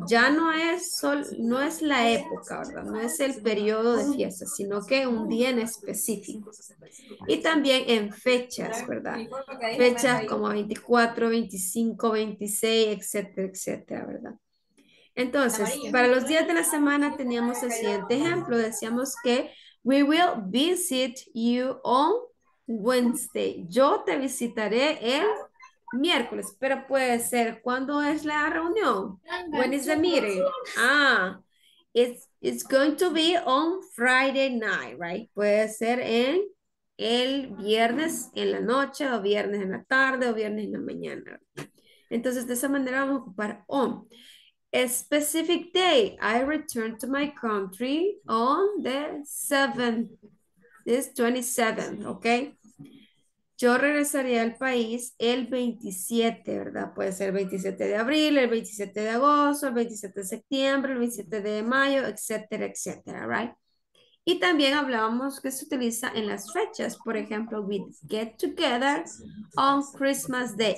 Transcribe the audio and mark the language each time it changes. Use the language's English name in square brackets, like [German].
[Spanish] Ya no es no es la época, ¿verdad? No es el periodo de fiesta, sino que un día en específico. Y también en fechas, ¿verdad? Fechas como 24, 25, 26, etcétera, etcétera, ¿verdad? Entonces, para los días de la semana teníamos el siguiente ejemplo. Decíamos que [English] we will visit you on Wednesday. [Spanish] Yo te visitaré el miércoles. Pero puede ser, ¿cuándo es la reunión? [English] When is the meeting? Ah, it's going to be on Friday night, right? [Spanish] Puede ser en el viernes en la noche, o viernes en la tarde, o viernes en la mañana. Entonces, de esa manera vamos a ocupar on. [English] A specific day, I return to my country on the 7th, it's 27th, okay? [Spanish] Yo regresaría al país el 27, ¿verdad? Puede ser el 27 de abril, el 27 de agosto, el 27 de septiembre, el 27 de mayo, etcétera, etcétera, right? Y también hablábamos que se utiliza en las fechas, por ejemplo, [English] we get together on Christmas Day.